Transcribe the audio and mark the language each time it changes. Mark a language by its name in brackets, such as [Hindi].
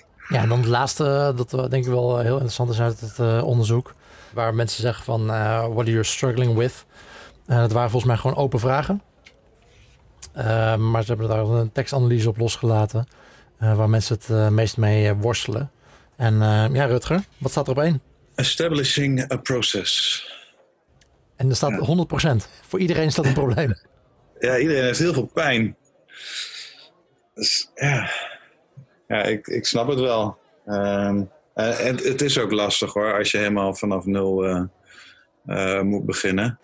[Dutch] Ja, en dan het laatste, dat denk ik wel heel interessant is uit het onderzoek. Waar mensen zeggen van, [English] what are you struggling with? [Dutch] Dat waren volgens mij gewoon open vragen. Maar ze hebben daar een tekstanalyse op losgelaten. Waar mensen het meest mee worstelen. En ja, Rutger, wat staat er op 1? [English] Establishing a process. [Dutch] En er staat 100%. Voor iedereen is dat een probleem. Ja, iedereen heeft heel veel pijn. Dus, ja. Ja, ik snap het wel. Het is ook lastig hoor, als je helemaal vanaf nul moet beginnen.